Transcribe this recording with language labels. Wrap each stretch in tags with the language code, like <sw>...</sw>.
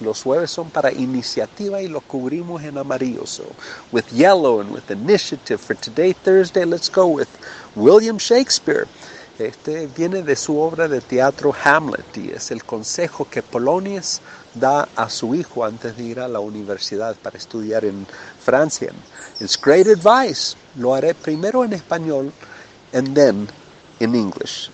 <es>Los jueves son para iniciativa y lo cubrimos en amarillo.</es> <en>So with yellow and with initiative for today, Thursday, let's go with William Shakespeare.</en> <es>Este viene de su obra de teatro Hamlet y es el consejo que Polonius da a su hijo antes de ir a la universidad para estudiar en Francia.</es> <en>It's great advice.</en> <es>Lo haré primero en español</es> <en>and then in English.</en>